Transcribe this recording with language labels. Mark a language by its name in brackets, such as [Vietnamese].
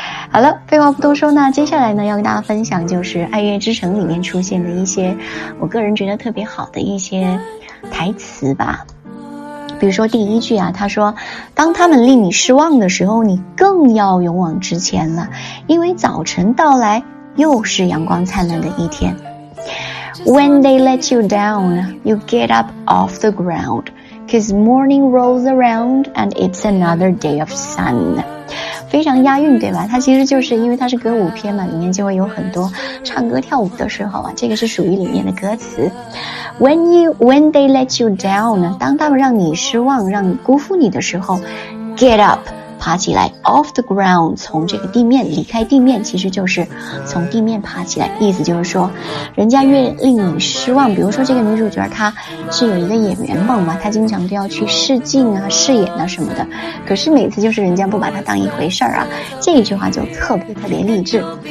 [Chinese] 好了，废话不多说，那接下来呢要跟大家分享就是爱乐之城里面出现的一些我个人觉得特别好的一些台词吧。比如说第一句啊，他说当他们令你失望的时候，你更要勇往直前了，因为早晨到来又是阳光灿烂的一天。 [English] When they let you down, you get up off the ground, cause morning rolls around and it's another day of sun. [Chinese] 非常押韵对吧，它其实就是因为它是歌舞片嘛，里面就会有很多唱歌跳舞的时候啊，这个是属于里面的歌词。 [English] When they let you down, [Chinese] 当他们让你失望让你辜负你的时候， [English] get up, [Chinese] 爬起来， [English] off the ground, [Chinese] 从这个地面离开地面，其实就是从地面爬起来，意思就是说人家越令你失望，比如说这个女主角她是有一个演员梦嘛，她经常都要去试镜啊试演啊什么的，可是每次就是人家不把她当一回事儿啊，这一句话就特别特别励志。